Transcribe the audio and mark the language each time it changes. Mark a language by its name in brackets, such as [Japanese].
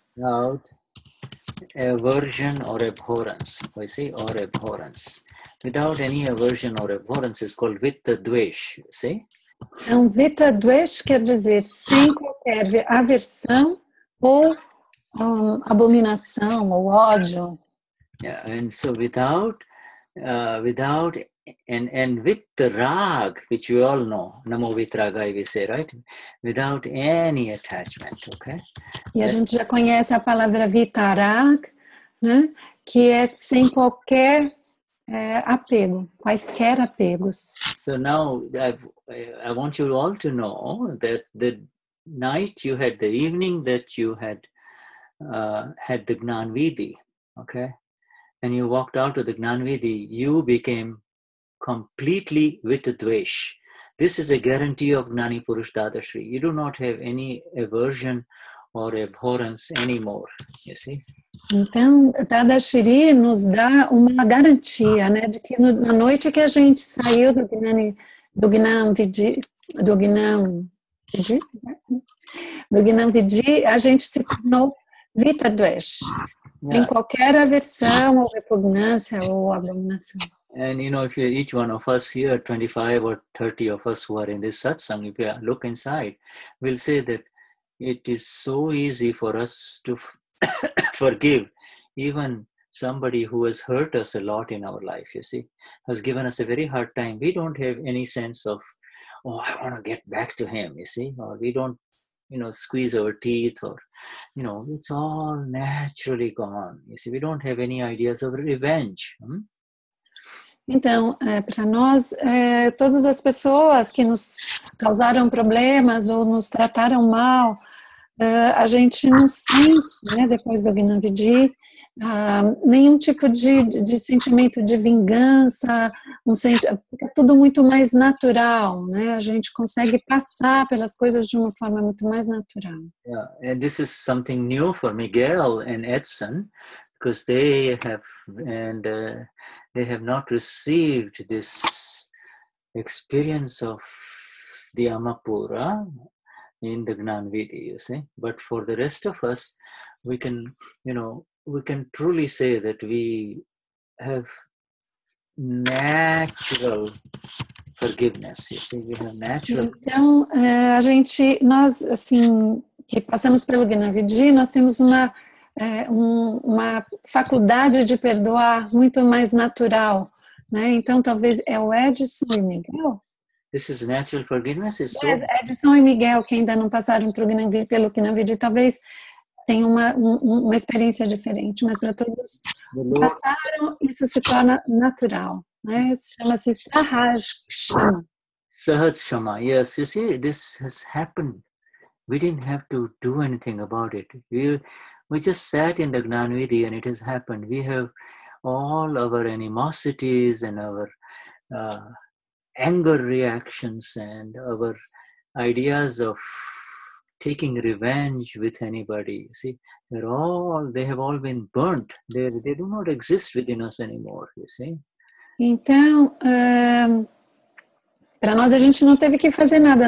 [English] Without aversion or abhorrence. We see, or abhorrence. Without any aversion or abhorrence is called vita dvesh, see? [Portuguese] Então, vita dvesh quer dizer sem qualquer aversão ou abominação ou ódio. [English] Yeah, and so without, without, and with rag, which we all know, namo vitragai we say, right? Without any attachment, okay? [Portuguese] E a gente já conhece a palavra vitarag, né? Que é sem qualquer apego, quaisquer apegos. [English] So now I want you all to know that the night you had, the evening that you had had the Gnan Vidhi, okay? And you walked out of the Gnan Vidhi, you became completely with the dvesh. This is a guarantee of Gnani Purush Dadashri. You do not have any aversion or abhorrence anymore, you see? [Portuguese] Então, Dadashri nos dá uma garantia, né, de que na noite que a gente saiu do Gnani, do Gnan Vidhi, do Gnan Vidhi, do Gnan Vidhi, a gente se tornou Vita Dvesh, yeah, em qualquer aversão ou repugnância ou abominação. [English] And you know, if you, each one of us here, 25 or 30 of us who are in this satsang, if you look inside, we'll say that it is so easy for us to forgive even somebody who has hurt us a lot in our life, you see, has given us a very hard time. We don't have any sense of, oh, I want to get back to him, you see, or we don't, you know, squeeze our teeth, or, you know, it's all naturally gone, you see. We don't have any ideas of revenge. Hmm? [Portuguese] Então, para nós, todas as pessoas que nos causaram problemas ou nos trataram mal, a gente não sente, né, depois do Gnan Vidhi, nenhum tipo de sentimento de vingança, fica tudo muito mais natural, né? A gente consegue passar pelas coisas de uma forma muito mais natural. [English] Yeah, and this is something new for Miguel and Edson, because they have, and they have not received this experience of the Amapura in the Gnan Vidhi, you see. But for the rest of us, we can, you know, we can truly say that we have natural forgiveness, you see. We have natural. [Portuguese] Então, a gente, nós, assim, que passamos pelo Gnan Vidhi, nós temos uma faculdade de perdoar muito mais natural, né? Então talvez é o Edson e Miguel. [English] This is natural forgiveness. Yes, so... [Portuguese] Edson e Miguel, que ainda não passaram pelo Gnan Vidhi, talvez tenham uma experiência diferente, mas para todos que passaram, isso se torna natural, né? Chama-se Sahaj Shama. [English] Sahaj Shama, yes, you see, this has happened. We didn't have to do anything about it. We just sat in the Gnan Vidhi and it has happened. We have all our animosities and our anger reactions and our ideas of taking revenge with anybody. You see, they have all been burnt. They do not exist within us anymore, you see. [Portuguese] Então, para nós, a gente não teve que fazer nada.